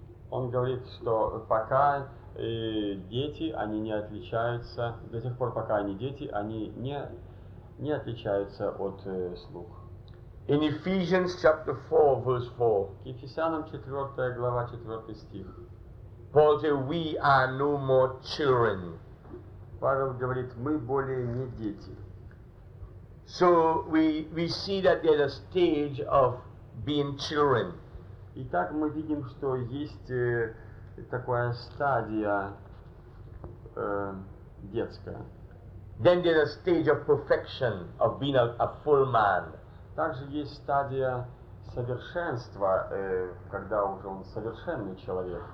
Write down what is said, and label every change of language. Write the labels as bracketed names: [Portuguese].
[Russian] Он говорит, что пока дети, они не отличаются, до тех пор, пока они дети, они не отличаются от слуг. [English] In Ephesians chapter 4, verse 4. [Russian] К Ефесянам 4 глава 4 стих. [English] Paul said, "We are no more children." [Russian] Павел говорит, мы более не дети. [English] So we see that there's a stage of being children. [Russian] Итак, мы видим, что есть такая стадия детская. [English] Then there's a stage of perfection, of being a full man. [Russian] Также есть стадия совершенства, когда уже он совершенный человек.